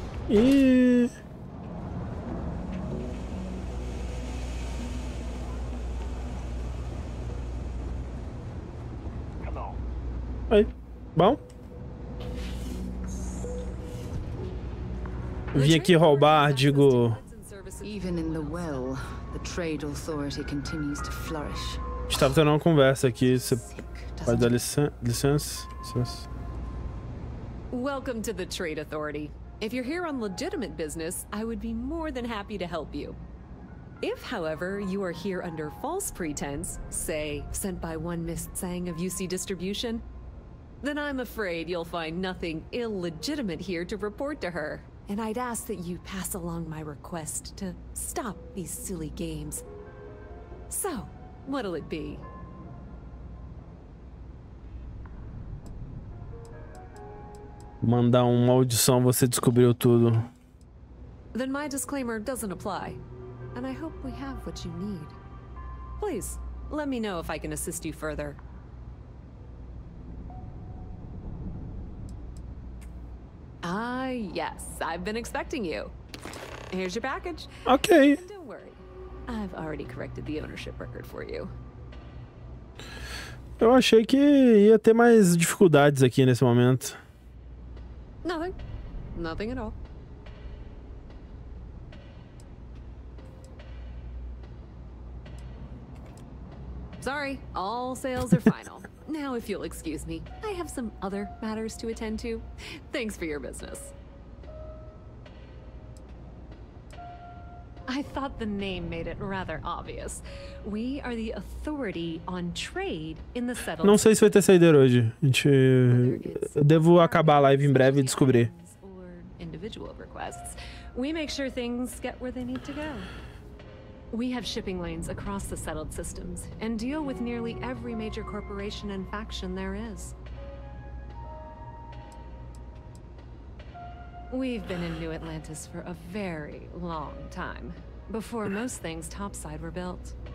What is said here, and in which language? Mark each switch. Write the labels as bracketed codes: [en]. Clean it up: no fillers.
[pt] E aí, bom? Vim aqui roubar, digo. [en] Even in the well, the trade authority continues to flourish. [pt] Estava tendo uma conversa aqui, você pode dar licença? [en] Welcome to the trade authority. If you're here on legitimate business, I would be more than happy to help you. If, however, you are here under false pretense, say sent by one Miss Tsang of UC Distribution, then I'm afraid you'll find nothing illegitimate here to report to her. And I'd ask that you pass along my request to stop these silly games. So, what'll it be? [pt] Mandar uma audição, você descobriu tudo. [en] then my disclaimer doesn't apply. And I hope we have what you need. Please, let me know if I can assist you further. Ah, yes, I've been expecting you. Here's your package. Okay. And don't worry, I've already corrected the ownership record for you. [pt] Eu achei que ia ter mais dificuldades aqui nesse momento. [en] Nothing. Nothing at all. Sorry, all sales are final. Now, if you'll excuse me, I have some other matters to attend to. Thanks for your business. I thought the name made it rather obvious. We are the authority on trade in the settlement. [pt] Não sei se vai ter saída hoje. A gente... Eu devo acabar a live em breve e descobrir. [en] Or individual requests. We make sure things get where they need to go. We have shipping lanes across the settled systems and deal with nearly every major corporation and faction there is. We've been in New Atlantis for a very long time, before most things topside were built.